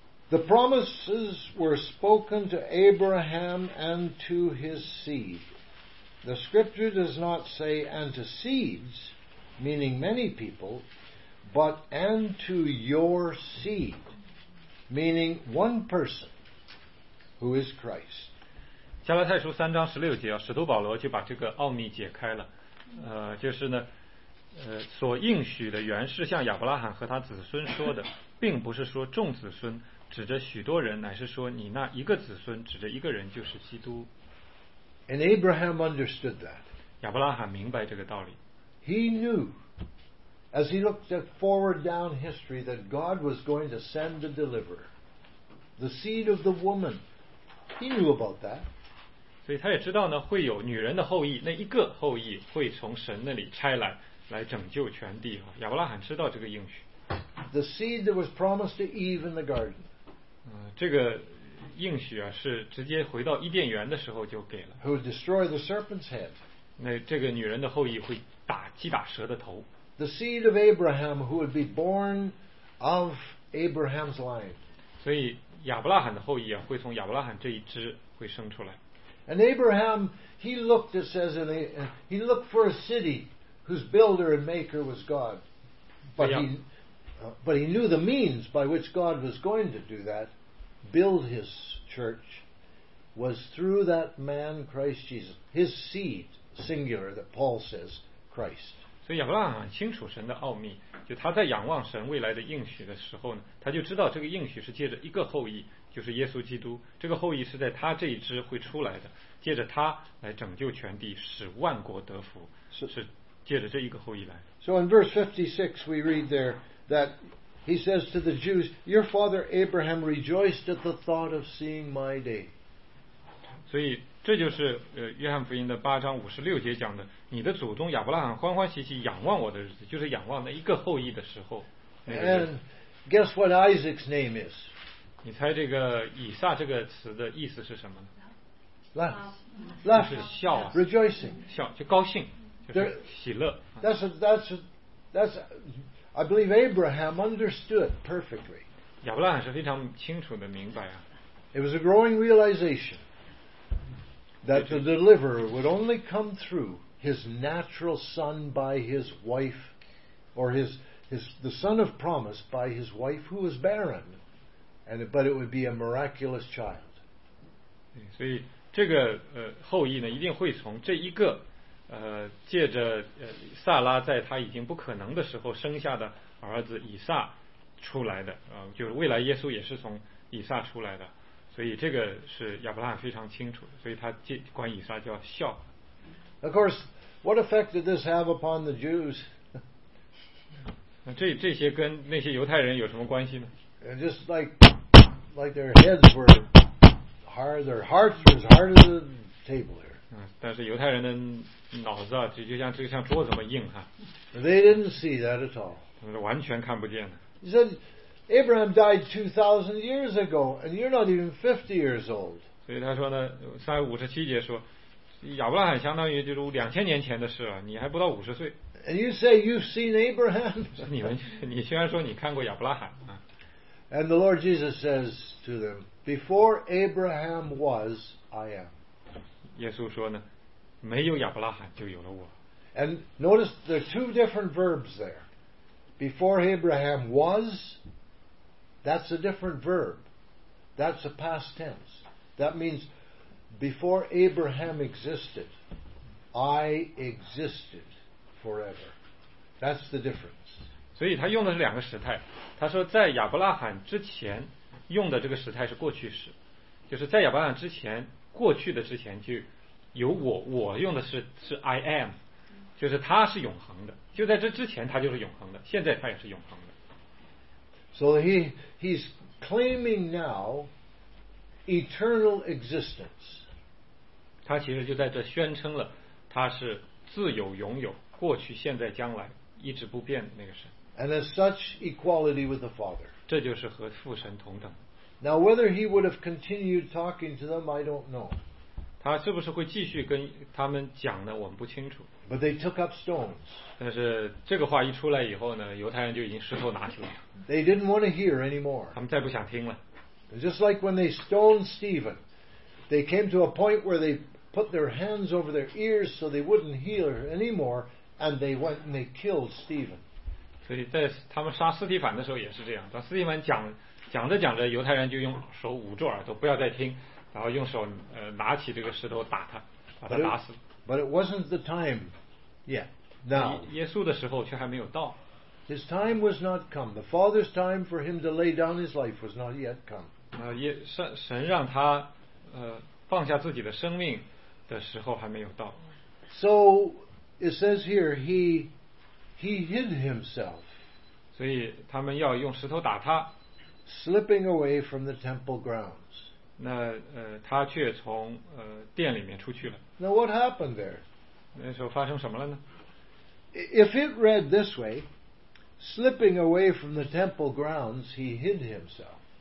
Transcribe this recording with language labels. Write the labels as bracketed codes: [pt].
[en] The promises were spoken to Abraham and to his seed. The Scripture does not say and to seeds. Meaning many people, but and to your seed, meaning one person, who is Christ. [zh] 加拉太书三章十六节啊，使徒保罗就把这个奥秘解开了。就是呢，所应许的原是像亚伯拉罕和他子孙说的，并不是说众子孙，指着许多人，乃是说你那一个子孙，指着一个人，就是基督。 [en] And Abraham understood that. [zh] 亚伯拉罕明白这个道理。 [en] He knew, as he looked at forward down history, that God was going to send a deliverer, the seed of the woman. He knew about that. [zh] 所以他也知道呢，会有女人的后裔，那一个后裔会从神那里差来，来拯救全地。亚伯拉罕知道这个应许。 [en] The seed that was promised to Eve in the garden. [zh] 这个应许啊，是直接回到伊甸园的时候就给了。 [en] Who would destroy the serpent's head? [zh] 那这个女人的后裔会。击打蛇的头。 [en] The seed of Abraham who would be born of Abraham's line. [zh] 所以亚伯拉罕的后裔啊，会从亚伯拉罕这一支会生出来。 [en] And Abraham, he looked, it says, in a, he looked for a city whose builder and maker was God. But he knew the means by which God was going to do that, build his church, was through that man Christ Jesus, his seed, singular, that Paul says. Christ. [zh] 所以亚伯拉罕很清楚神的奥秘，就他在仰望神未来的应许的时候呢，他就知道这个应许是借着一个后裔，就是耶稣基督，这个后裔是在他这一支会出来的，借着他来拯救全地，使万国得福，是借着这一个后裔来的。 [en] So in verse 56 we read there that he says to the Jews, your father Abraham rejoiced at the thought of seeing my day. [zh] 所以这就是约翰福音的八章五十六节讲的，你的祖宗亚伯拉罕欢欢喜喜仰望我的日子，就是仰望那一个后裔的时候。 [en] And guess what Isaac's name is? [zh] 你猜这个以撒这个词的意思是什么呢 [en] ？Laugh, [zh] 是笑啊 [en] ，rejoicing, [zh] 笑就高兴，就是喜乐。 [en] That's I believe Abraham understood perfectly. [zh] 亚伯拉罕是非常清楚的明白啊。 [en] It was a growing realization. That the deliverer would only come through his natural son by his wife, or his the son of promise by his wife who was barren, and but it would be a miraculous child. [zh] 所以这个后裔呢，一定会从这一个借着萨拉在他已经不可能的时候生下的儿子以撒出来的啊，就是未来耶稣也是从以撒出来的。所以这个是亚伯拉罕非常清楚的，所以他管以撒叫笑。 [en] Of course, what effect did this have upon the Jews? [zh] 这些跟那些犹太人有什么关系呢 [en] ？And just like their heads were hard, their hearts were as hard as a table here. [zh] 但是犹太人的脑子啊，就像桌子那么硬哈。 [en] They didn't see that at all. [zh] 他们完全看不见的。 [en] He said, Abraham died 2,000 years ago, and you're not even 50 years old. [zh] 所以他说呢，三五十七节说，亚伯拉罕相当于就是两千年前的事了，你还不到五十岁。 [en] And you say you've seen Abraham? [zh] 你虽然说你看过亚伯拉罕啊。 [en] And the Lord Jesus says to them, "Before Abraham was, I am." [zh] 耶稣说呢，没有亚伯拉罕就有了我。 [en] And notice the two different verbs there. Before Abraham was, that's a different verb. That's a past tense. That means before Abraham existed, I existed forever. That's the difference. [zh] 所以他用的是两个时态，他说在亚伯拉罕之前用的这个时态是过去时，就是在亚伯拉罕之前，过去的之前就有我用的是 [en] I am， [zh] 就是他是永恒的，就在这之前他就是永恒的，现在他也是永恒的。 [en] So he's claiming now eternal existence， [zh] 他其实就在这宣称了他是自有拥有过去现在将来一直不变的那个神。 [en] And as such, equality with the Father. [zh] 这就是和父神同等。 [en] Now, whether he would have continued talking to them, I don't know. [zh] 他是不是会继续跟他们讲呢？我们不清楚。 [en] But they took up stones. [zh] 但是这个话一出来以后呢，犹太人就已经石头拿起来了。 [en] They didn't want to hear anymore. [zh] 他们再不想听了。 [en] Just like when they stoned Stephen, they came to a point where they put their hands over their ears so they wouldn't hear anymore, and they went and they killed Stephen. [zh] 所以在他们杀斯蒂凡的时候也是这样，当斯蒂凡讲着讲着，犹太人就用手捂住耳朵不要再听，然后用手拿起这个石头打他，把他打死。 [en] But it wasn't the time yet. Now, [zh] 耶稣的时候却还没有到。 [en] His time was not come. The Father's time for him to lay down his life was not yet come. [zh] 神让他放下自己的生命的时候还没有到。 [en] So it says here He hid himself. [zh] 所以他们要用石头打他。 [en] Slipping away from the temple grounds. [zh] 那他却从殿里面出去了。 [en] Now what happened there? [zh] 那时候发生什么了呢？ [en] If it read this way, slipping away from the temple grounds, he hid himself.